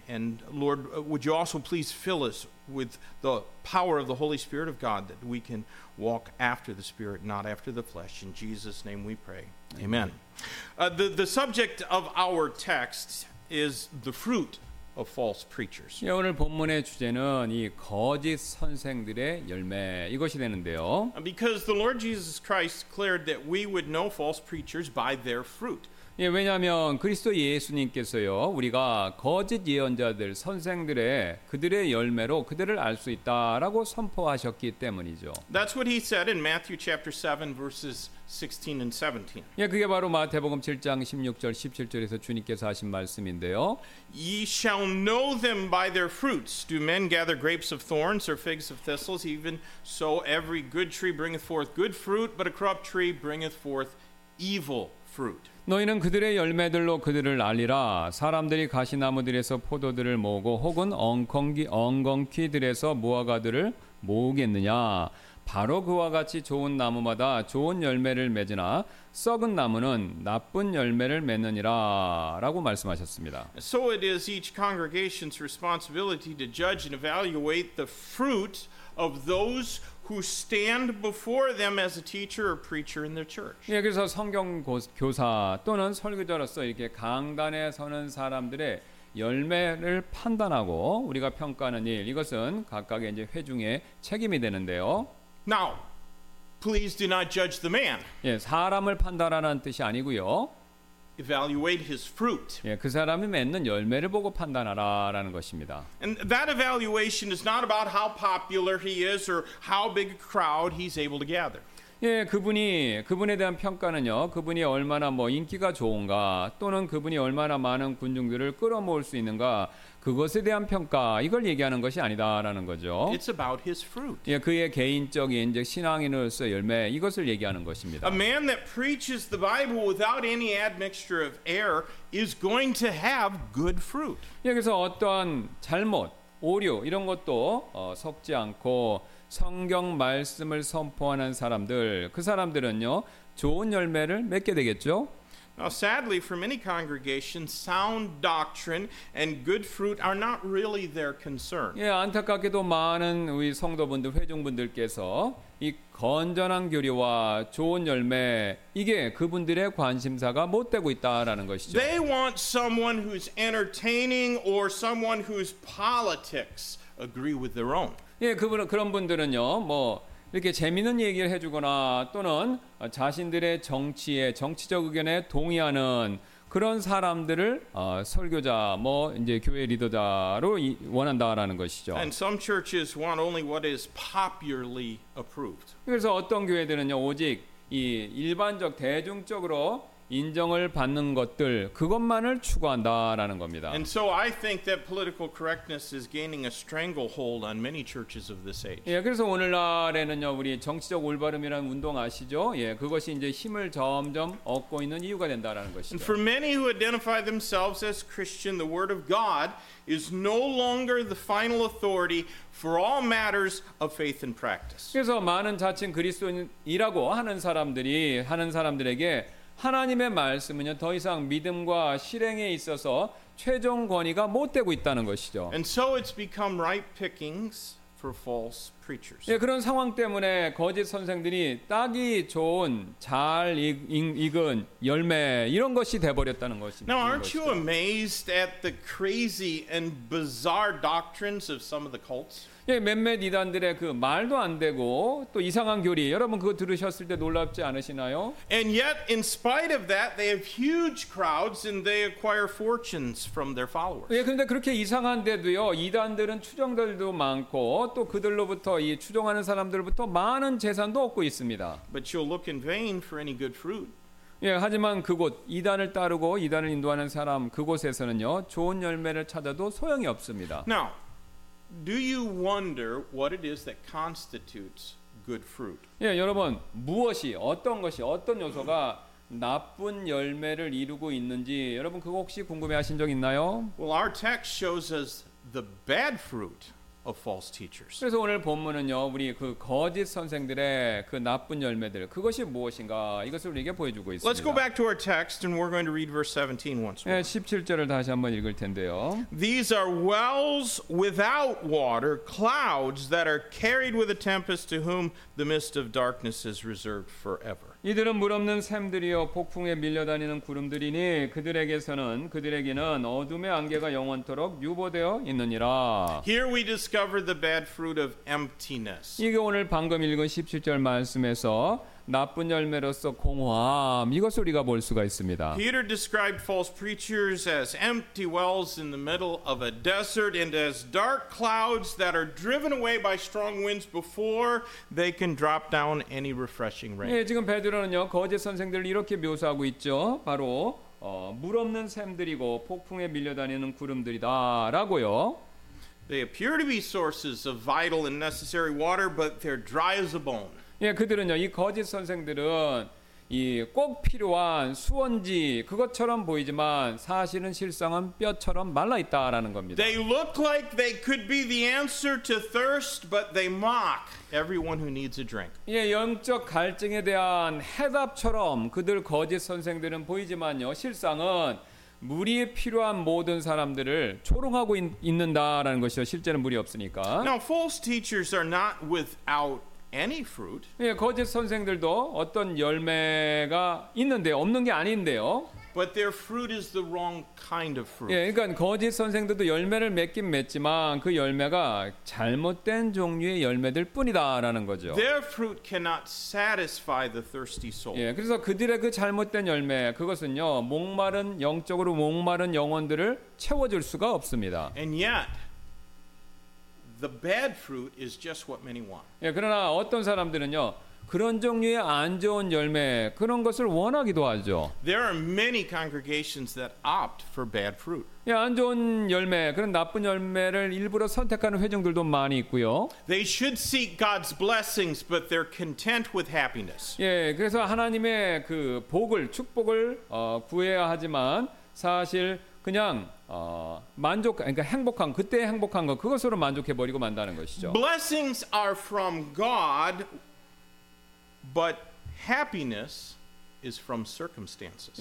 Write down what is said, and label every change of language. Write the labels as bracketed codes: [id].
[en] And Lord, would you also please fill us with the power of the Holy Spirit of God, that we can walk after the Spirit, not after the flesh. In Jesus' name we pray. Amen. The subject of our text is the fruit of false preachers. [ko] 예, 오늘 본문의 주제는 이 거짓 선생들의 열매 이것이 되는데요. [en] Because the Lord Jesus Christ declared that we would know false preachers by their fruit. [ko] 예, 왜냐하면 그리스도 예수님께서요 우리가 거짓 예언자들 선생들의 그들의 열매로 그들을 알 수 있다라고 선포하셨기 때문이죠. [en] That's what he said in Matthew chapter 7 verses 16 and 17. [ko] 예, 그게 바로 마태복음 7장 16절 17절에서 주님께서 하신 말씀인데요. [en] Ye shall know them by their fruits. Do men gather grapes of thorns or figs of thistles? Even so every good tree bringeth forth good fruit, but a corrupt tree bringeth forth evil fruit. [ko] 너희는 그들의 열매들로 그들을 알리라. 사람들이 가시나무들에서 포도들을 모으고 혹은 엉겅퀴들에서 무화과들을 모으겠느냐. 바로 그와 같이 좋은 나무마다 좋은 열매를 맺으나 썩은 나무는 나쁜 열매를 맺느니라 라고 말씀하셨습니다. [en] So it is each congregation's responsibility to judge and evaluate the fruit of those who stand before them as a teacher or preacher in their church. [ko] 예, 그래서 성경 교사 또는 설교자로서 이렇게 강단에 서는 사람들의 열매를 판단하고 우리가 평가하는 일, 이것은 각각의 이제 회중의 책임이 되는데요. [en] Now, please do not judge the man. [ko] 예, 사람을 판단하라는 뜻이 아니고요. [en] Evaluate his fruit. [ko] 예, 그 사람이 맺는 열매를 보고 판단하라라는 것입니다. [en] And that evaluation is not about how popular he is or how big a crowd he's able to gather. [ko] 예, 그분에 대한 평가는요. 그분이 얼마나 뭐 인기가 좋은가 또는 그분이 얼마나 많은 군중들을 끌어모을 수 있는가 그것에 대한 평가 이걸 얘기하는 것이 아니다라는 거죠. [en] It's about his fruit. [ko] 예, 그의 개인적인 이제 신앙인으로서 열매 이것을 얘기하는 것입니다. [en] A man that preaches the Bible without any admixture of error is going to have good fruit. [ko] 예, 그래서 어떠한 잘못, 오류 이런 것도 섞지 않고 성경 말씀을 선포하는 사람들, 그 사람들은요 좋은 열매를 맺게 되겠죠. [en] Now, sadly, for many congregations, sound doctrine and good fruit are not really their concern. [ko] 예, 안타깝게도 많은 우리 성도분들, 회중분들께서 이 건전한 교리와 좋은 열매 이게 그분들의 관심사가 못 되고 있다라는 것이죠. [en] They want someone who's entertaining or someone whose politics agree with their own. [ko] 예, 그런 분들은요, 뭐 이렇게 재미있는 얘기를 해주거나 또는 자신들의 정치적 의견에 동의하는 그런 사람들을 설교자, 뭐 이제 교회 리더자로 원한다라는 것이죠. [en] And some churches want only what is popularly approved. [ko] 그래서 어떤 교회들은요, 오직 이 일반적 대중적으로 인정을 받는 것들 그것만을 추구한다라는 겁니다. [en] And so I think that political correctness is gaining a stranglehold on many churches of this age. [ko] 예, 그래서 오늘날에는요 우리 정치적 올바름이라는 운동 아시죠? 예, 그것이 이제 힘을 점점 얻고 있는 이유가 된다라는 것이죠. [en] And for many who identify themselves as Christian, the word of God is no longer the final authority for all matters of faith and practice. [ko] 그래서 많은 자칭 그리스도인이라고 하는 사람들에게 하나님의 말씀은요 더 이상 믿음과 실행에 있어서 최종 권위가 못 되고 있다는 것이죠. [en] And so it's become ripe pickings for false preachers. [ko] 예, 그런 상황 때문에 거짓 선생들이 딱이 좋은 잘 익은 열매 이런 것이 돼 버렸다는 것입니다. [en] Now aren't you amazed at the crazy and bizarre doctrines of some of the cults? [ko] 예, 몇몇 이단들의 그 말도 안 되고 또 이상한 교리 여러분 그거 들으셨을 때 놀랍지 않으시나요? [en] And yet in spite of that they have huge crowds and they acquire fortunes from their followers. [ko] 예, 근데 그렇게 이상한데도요. 이단들은 추종들도 많고 또 그들로부터 이 추종하는 사람들부터 많은 재산도 얻고 있습니다. [en] But you'll look in vain for any good fruit. [ko] 예, 하지만 그곳 이단을 따르고 이단을 인도하는 사람 그곳에서는요. 좋은 열매를 찾아도 소용이 없습니다. [en] Now do you wonder what it is that constitutes good fruit? [ko] 예, 여러분 무엇이 어떤 것이 어떤 요소가 나쁜 열매를 이루고 있는지 여러분 그거 혹시 궁금해하신 적 있나요? [en] Well, our text shows us the bad fruit of false teachers. [ko] 그래서 오늘 본문은요 우리 그 거짓 선생들의 그 나쁜 열매들 그것이 무엇인가 이것을 우리에게 보여주고 있습니다. [en] Let's go back to our text and we're going to read verse 17 once more. [ko] 예, 17절을 다시 한번 읽을 텐데요. [en] These are wells without water, clouds that are carried with a tempest to whom the mist of darkness is reserved forever. [ko] 이들은 물 없는 샘들이요 폭풍에 밀려다니는 구름들이니 그들에게는 어둠의 안개가 영원토록 유보되어 있느니라. [en] Here we discover the bad fruit of emptiness. [ko] 이게 오늘 방금 읽은 17절 말씀에서 나쁜 열매로서 공허함, 이것을 우리가 볼 수가 있습니다. [en] Peter described false preachers as empty wells in the middle of a desert and as dark clouds that are driven away by strong winds before they can drop down any refreshing rain. [ko] 예, 지금 베드로는요, 거짓 선생들을 이렇게 묘사하고 있죠. 바로 물 없는 샘들이고 폭풍에 밀려다니는 구름들이다라고요. [en] They appear to be sources of vital and necessary water, but they're dry as a bone. [ko] 예, 그들은요, 이 거짓 선생들은 이 꼭 필요한 수원지 그것처럼 보이지만 사실은 실상은 뼈처럼 말라 있다라는 겁니다. [en] They look like they could be the answer to thirst, but they mock everyone who needs a drink. [ko] 예, 영적 갈증에 대한 해답처럼 그들 거짓 선생들은 보이지만요, 실상은 물이 필요한 모든 사람들을 조롱하고 있는다라는 것이죠. 실제는 물이 없으니까. [en] Now, false teachers are not without any fruit. [ko] 예, 거짓 선생들도 어떤 열매가 있는데 없는 게 아닌데요. [en] But their fruit is the wrong kind of fruit. [ko] 예, 그러니까 거짓 선생들도 열매를 맺긴 맺지만 그 열매가 잘못된 종류의 열매들 뿐이다라는 거죠. [en] Their fruit cannot satisfy the thirsty soul. [ko] 예, 그래서 그들의 그 잘못된 열매 그것은요 목마른 영적으로 목마른 영혼들을 채워줄 수가 없습니다. [en] And yet, the bad fruit is just what many want. [ko] 예, 그러나 어떤 사람들은요. 그런 종류의 안 좋은 열매 그런 것을 원하기도 하죠. [en] There are many congregations that opt for bad fruit. [ko] 예, 안 좋은 열매 그런 나쁜 열매를 일부러 선택하는 회중들도 많이 있고요. [en] They should seek God's blessings, but they're content with happiness. [ko] 예, 그래서 하나님의 그 복을 축복을 구해야 하지만 사실 그냥 만족 그러니까 행복한 그때 행복한 것 그것으로 만족해 버리고 만다는 것이죠. [en] Blessings are from God. But happiness is from circumstances.